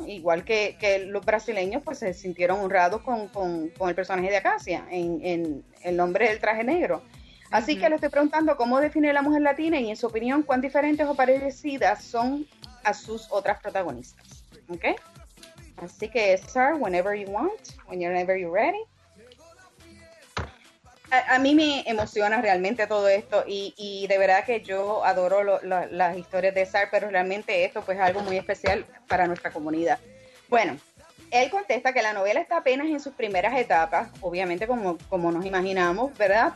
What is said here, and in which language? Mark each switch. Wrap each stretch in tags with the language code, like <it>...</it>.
<es>Igual que los brasileños, pues, se sintieron honrados con el personaje de Acacia, en El Nombre del Traje Negro. Así que le estoy preguntando cómo define la mujer latina y en su opinión, ¿cuán diferentes o parecidas son a sus otras protagonistas? ¿Ok? Así que,</es> <en>sir, whenever you want, whenever you're ready.</en> <es>A mí me emociona realmente todo esto y de verdad que yo adoro las historias de Sar, pero realmente esto pues es algo muy especial para nuestra comunidad. Bueno, él contesta que la novela está apenas en sus primeras etapas, obviamente como nos imaginamos, ¿verdad?</es>